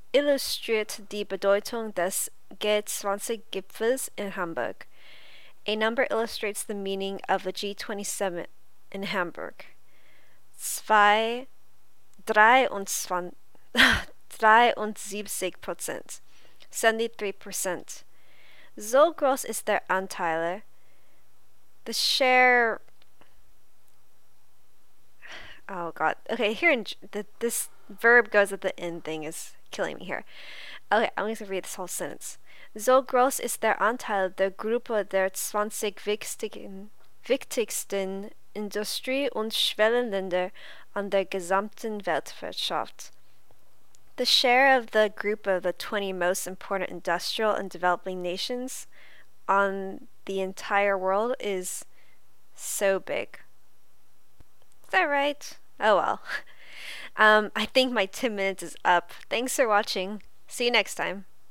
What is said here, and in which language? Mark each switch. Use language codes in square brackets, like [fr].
[de] Illustriert die Bedeutung des G20 Gipfels in Hamburg. [en] A number illustrates the meaning of the G20 summit in Hamburg. 73%. 73%. [de] So groß ist der Anteil. [en] The share. Oh god. Okay, here in this verb goes at the end thing is killing me here. Okay, I'm going to read this whole sentence. [de] So groß ist der Anteil der Gruppe der 20 wichtigsten Industrie- und Schwellenländer an der gesamten Weltwirtschaft. [en] The share of the group of the 20 most important industrial and developing nations on the entire world is so big. Is that right? Oh well. I think my 10 minutes is up. Thanks for watching. See you next time.